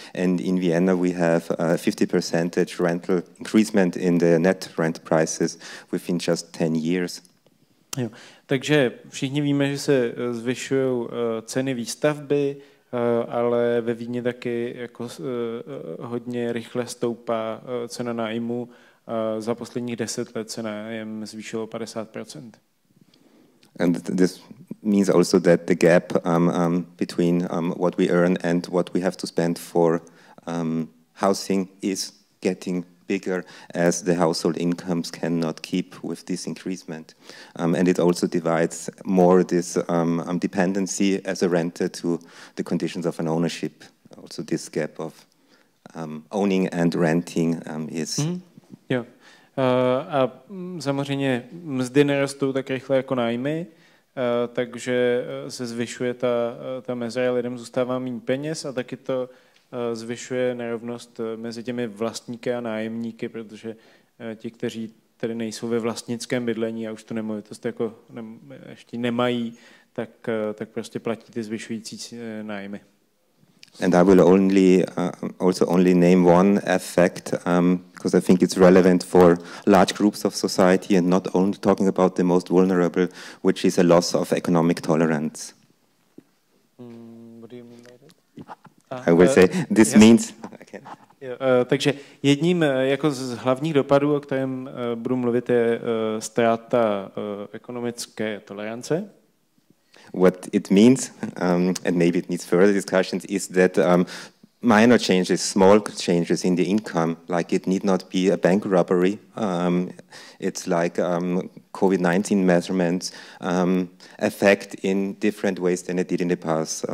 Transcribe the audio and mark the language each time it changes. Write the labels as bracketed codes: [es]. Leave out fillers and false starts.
[en] And in Vienna, we have a 50% rental increasement in the net rent prices within just 10 years. [cs] Jo. Takže všichni víme, že se zvyšují ceny výstavby, ale ve Vídni taky jako hodně rychle stoupá cena nájmu. Za posledních 10 let se nájem zvýšilo 50%. [en] And this means also that the gap between what we earn and what we have to spend for housing is getting bigger, as the household incomes cannot keep with this increasement. And it also divides more this dependency as a renter to the conditions of an ownership. Also this gap of owning and renting is... Mm-hmm. Jo. [cs] A samozřejmě mzdy nerostou tak rychle jako nájmy, takže se zvyšuje ta mezera, lidem zůstává méně peněz a taky to zvyšuje nerovnost mezi těmi vlastníky a nájemníky, protože ti, kteří tady nejsou ve vlastnickém bydlení a už tu nemovitost jako ještě nemají, tak prostě platí ty zvyšující nájmy. [en] And I will only also only name one effect because I think it's relevant for large groups of society and not only talking about the most vulnerable, which is a loss of economic tolerance. What do you mean by that? I will say this means. [cs] Takže jedním jako z hlavních dopadů, o kterém budu mluvit, je ztráta ekonomické tolerance. [en] What it means, and maybe it needs further discussions, is that minor changes, small changes in the income, like it need not be a bank robbery. It's like COVID-19 measurements affect in different ways than it did in the past.